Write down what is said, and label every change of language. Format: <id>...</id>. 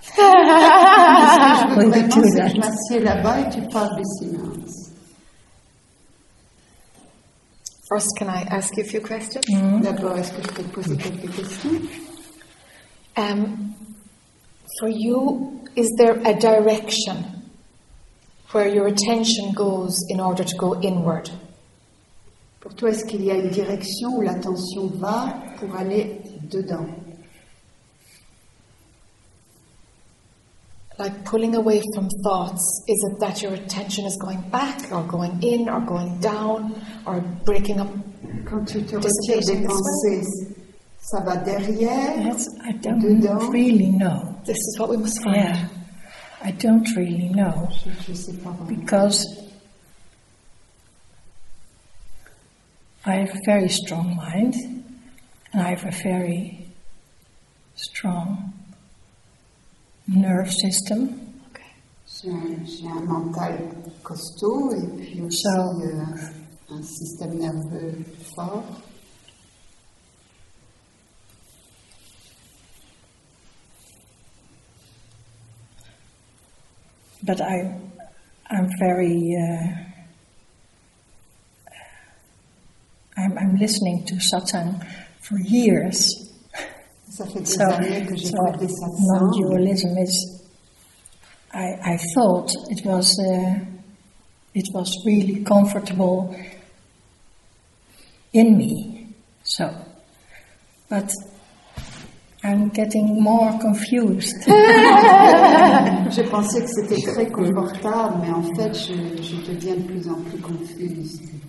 <en>First, can I ask you a few questions?</en> <fr>D'abord, est-ce que je peux poser quelques questions?</fr> <en>For you, is there a direction where your attention goes in order to go inward?</en> <fr>Pour toi, est-ce qu'il y a une direction où l'attention va pour aller dedans?</fr> <en>Like pulling away from thoughts, is it that your attention is going back, or going in, or going down, or breaking up?</en> <fr>Quand tu te retires des pensées, ça va derrière,</fr> <en>yes, I don't</en> <fr>dedans.</fr> <en>Really know. This is what we must find. Yeah, I don't really know.</en> <fr>Je sais pas vraiment.</fr> <en>Because I have a very strong mind, and I have a very strong nerve system.</en> <fr>J'ai un mental costaud et puis aussi un système nerveux fort.</fr> <en>But I'm very I'm listening to satsang for years. Non-dualism is. I thought it was really comfortable in me. So, but I'm getting more confused.</en> <fr>Je pensais que c'était très confortable, mais en fait, je deviens de plus en plus confuse.</fr>